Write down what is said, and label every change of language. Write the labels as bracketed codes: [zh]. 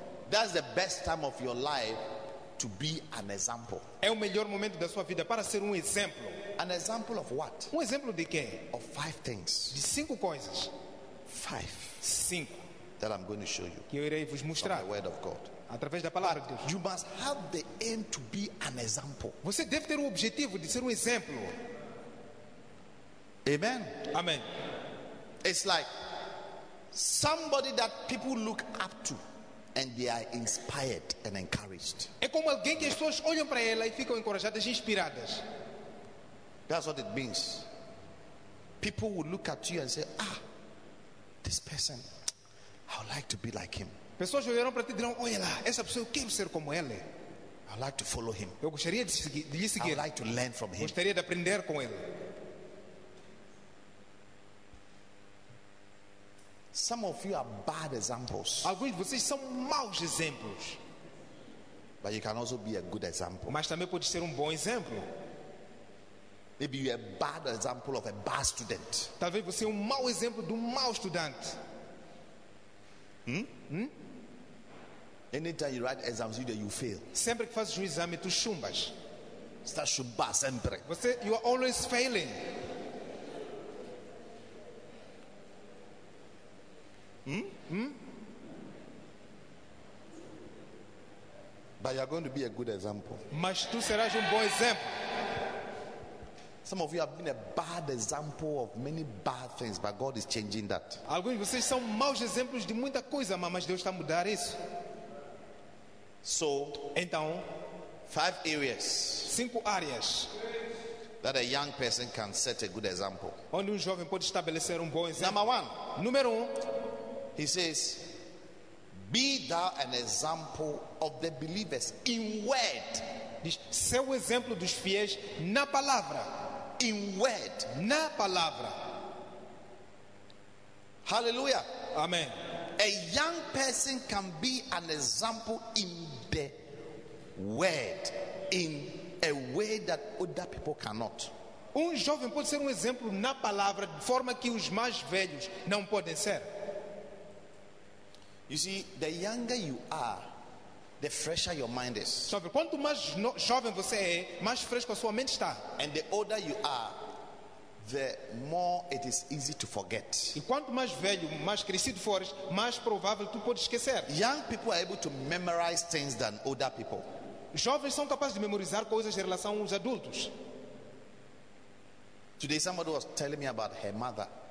[en] that's the best time of your life to be an example. [pt] É o melhor momento da sua vida para ser um exemplo. [en] An example of what? [pt] Um exemplo de quê? [en] Of five things. [pt] De cinco coisas. [en] Five. [pt] Cinco. [en] That I'm going to show you. [pt] Que eu irei vos mostrar. [en] From the word of God. [pt] Através da palavra de Deus. [en] You must have the aim to be an example. [pt] Você deve ter o objetivo de ser um exemplo. [en] Amen. [pt] Amen. [en] It's like somebody that people look up to and they are inspired and encouraged. [pt] É como alguém que as pessoas olham para ela e ficam encorajadas e inspiradas. [en] That's what it means. People will look at you and say, ah, this person, I would like to be like him. [pt] Pessoas olharão para ti e dirão, olha lá, essa pessoa, eu quero ser como ela. [en] I would like to follow him. [pt] Eu gostaria de lhe seguir. [en] I would like to learn from him. [pt] Gostaria de aprender com ele. [en] Some of you are bad examples. [pt] Alguns de vocês são maus exemplos. [en] But you can also be a good example. [pt] Mas também pode ser um bom exemplo. [en] Maybe you are a bad example of a bad student. [pt] Talvez você é um mau exemplo de um mau estudante. [en] Anytime you write exams, either you fail. [pt] Sempre que fazes um exame, tu chumbas. Está chumbar sempre. Você, [en] you are always failing. But you are going to be a good example. [pt] Mas tu serás um bom exemplo. [en] Some of you have been a bad example of many bad things, but God is changing that. [pt] Alguns de vocês são maus exemplos de muita coisa, mas Deus está a mudar isso. [en] So, [pt] então, [en] five areas. [pt] Cinco áreas. [en] That a young person can set a good example. [pt] Onde jovem pode estabelecer bom exemplo. [en] Number one. [pt] Número um. [en] He says, be thou an example of the believers in word. [pt] Diz, seu exemplo dos fiéis na palavra. [en] In word. [pt] Na palavra. [en] Hallelujah. [pt] Amen. [en] A young person can be an example in the word. In a way that other people cannot. [pt] Um jovem pode ser exemplo na palavra de forma que os mais velhos não podem ser. [en] You see, the younger you are, the fresher your mind is. [pt] Quanto mais jovem você é, mais fresco a sua mente está. [en] And the older you are, the more it is easy to forget. [pt] E quanto mais velho, mais crescido fores, mais provável tu podes esquecer. [en] Young people are able to memorize things than older people. [pt] Jovens são capazes de memorizar coisas em relação aos adultos. [en] Today somebody was telling me about her mother.